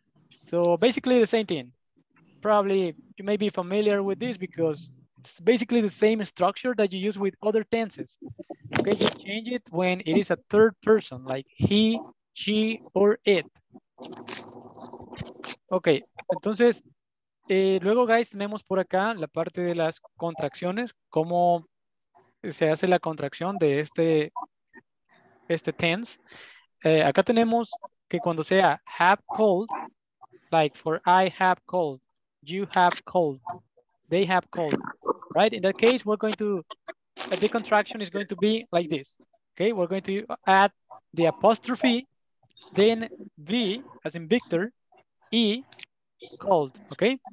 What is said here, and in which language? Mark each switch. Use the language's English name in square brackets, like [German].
[English] So basically the same thing. Probably you may be familiar with this because it's basically the same structure that you use with other tenses. Okay, you change it when it is a third person, like he, she, or it. [Spanish] Okay, entonces, luego, guys, tenemos por acá la parte de las contracciones, cómo se hace la contracción de este tense. Acá tenemos que cuando sea [English] have called, like for I have called, you have called, they have called, right? In that case, we're going to, the contraction is going to be like this, okay? We're going to add the apostrophe, then V, as in Victor, E, called, okay?